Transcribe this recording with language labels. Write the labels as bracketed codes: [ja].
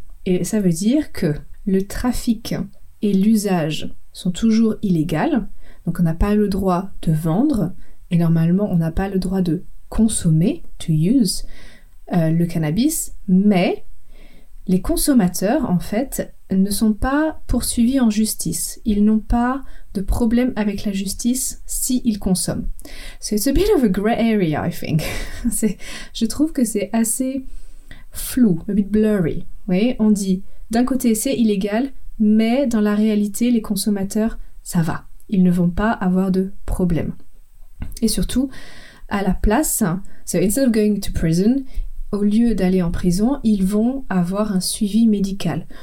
[fr] et ça veut dire que le trafic et l'usage sont toujours illégaux, donc on n'a pas le droit de vendre, et normalement on n'a pas le droit de consommer, [en] to use, [fr] le cannabis, mais les consommateurs, en fait, ne sont pas poursuivis en justice. Ils n'ont pas de problème avec la justice s'ils consomment. [en] So it's a bit of a grey area, I think. [fr] Je trouve que c'est assez flou, [en] a bit blurry. [fr] Oui, on dit, d'un côté, c'est illégal, mais dans la réalité, les consommateurs, ça va. Ils ne vont pas avoir de problème. Et surtout, à la place, [en] so instead of going to prison, [fr] au lieu d'aller en prison, ils vont avoir un suivi médical.